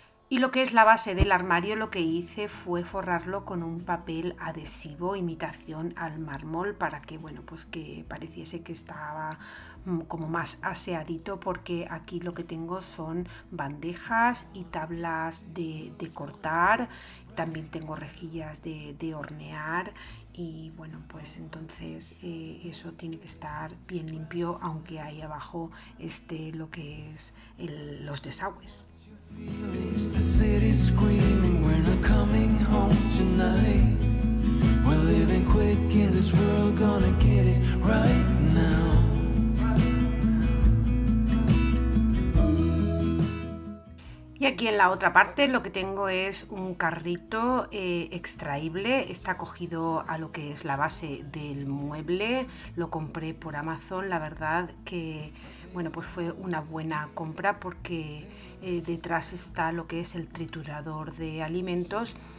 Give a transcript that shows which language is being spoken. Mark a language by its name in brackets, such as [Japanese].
[Spanish] Y lo que es la base del armario, lo que hice fue forrarlo con un papel adhesivo imitación al mármol para que, bueno, pues que pareciese que estaba como más aseadito, porque aquí lo que tengo son bandejas y tablas de cortar, también tengo rejillas de hornear y bueno, pues entonces eso tiene que estar bien limpio, aunque ahí abajo esté lo que es los desagües. [English] Feelings, the city's screaming, we're not coming home tonight. We're living quick in this world, gonna get it right now. [Spanish] Y aquí en la otra parte lo que tengo es un carrito extraíble, está cogido a lo que es la base del mueble, lo compré por Amazon, la verdad que bueno, pues fue una buena compra porque detrás está lo que es el triturador de alimentos.